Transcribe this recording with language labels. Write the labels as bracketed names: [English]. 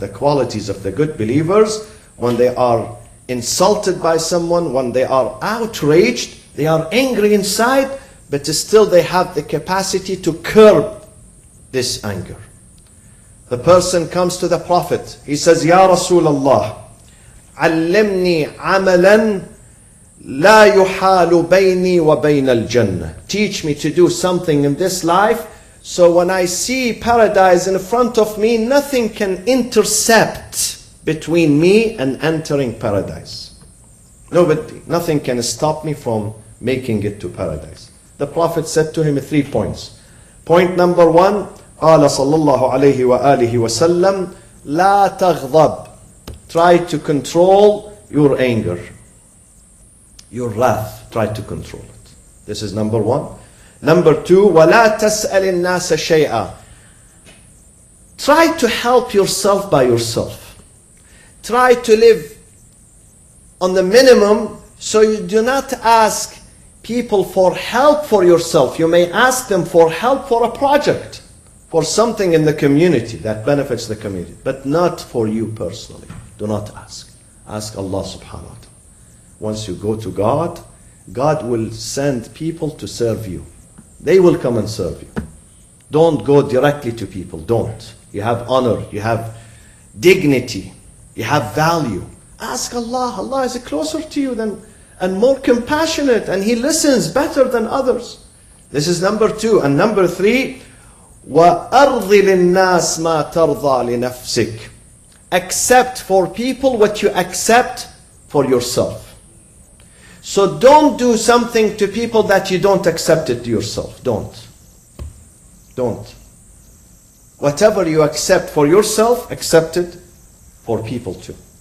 [English] The qualities of the good believers, when they are insulted by someone, when they are outraged, they are angry inside, but still they have the capacity to curb this anger. The person comes to the Prophet. He says, [Arabic] Ya Rasulullah, علمني عملا لا يحال بيني وبين الجنة. [English] Teach me to do something in this life, so when I see paradise in front of me, nothing can intercept between me and entering paradise. Nobody, nothing can stop me from making it to paradise. The Prophet said to him 3 points. Point number one, [Arabic] قال صلى الله عليه وآله وسلم لا تغضب. [English] Try to control your anger, your wrath. Try to control it. This is number one. Number two, [Arabic] ولا تسأل الناس شيئا. [English] Try to help yourself by yourself. Try to live on the minimum so you do not ask people for help for yourself. You may ask them for help for a project, for something in the community that benefits the community, but not for you personally. Do not ask. Ask Allah subhanahu wa ta'ala. Once you go to God, God will send people to serve you. They will come and serve you. Don't go directly to people. Don't. You have honor. You have dignity. You have value. Ask Allah. Allah is closer to you than and more compassionate, and He listens better than others. This is number two. And number three, [Arabic] وَأَرْضِ لِلنَّاسِ مَا تَرْضَى لِنَفْسِكَ. [English] Accept for people what you accept for yourself. So don't do something to people that you don't accept it yourself. Don't. Don't. Whatever you accept for yourself, accept it for people too.